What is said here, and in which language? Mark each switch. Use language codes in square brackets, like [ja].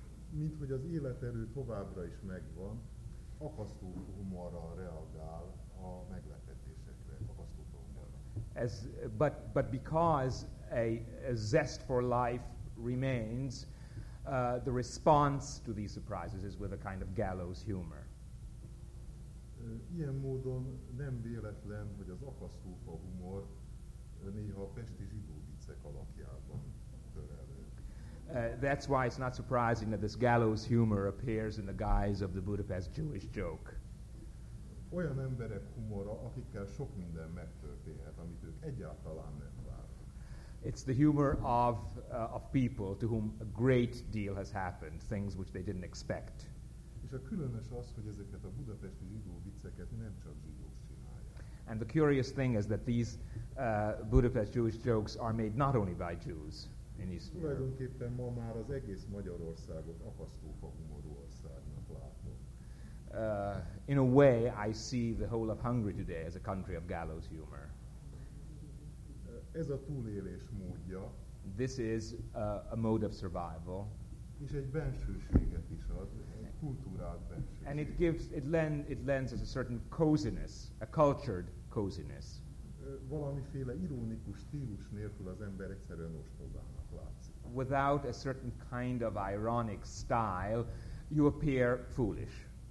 [hu] Mint hogy az életerő továbbra is megvan, akasztó humorral reagál a meglepetésekre, akasztó humorral. [en] But because a zest for life remains, the response to these surprises is with a kind of gallows humor. [hu] Ilyen módon nem véletlen, hogy az akasztófa humor néha a pesti zsidó viccek alakjában tör elő. [en] That's why it's not surprising that this gallows humor appears in the guise of the Budapest Jewish joke. [hu] Olyan emberek humora, akikkel sok minden megtörténhet, amit ők egyáltalán nem várnak. [en] It's the humor of people to whom a great deal has happened, things which they didn't expect. [hu] És a különös az, hogy ezeket a budapesti zsidó vicceket nem csak zsidók csinálják. [en] And the curious thing is that these Budapest Jewish jokes are made not only by Jews in East Europe. [hu] Tulajdonképpen ma már az egész Magyarországot akasztófa humorú országnak látom. [en] In a way, I see the whole of Hungary today as a country of gallows humor. [hu] Ez a túlélés módja. [en] This is a mode of survival. [hu] És egy bensőséget is ad. Kultúrát bensőség. [en] And it lends us a certain coziness, a cultured coziness. [hu] Valamiféle ironikus stílus nélkül az ember egyszerűen ostobának látszik. [en] Without a certain kind of ironic style, you appear foolish.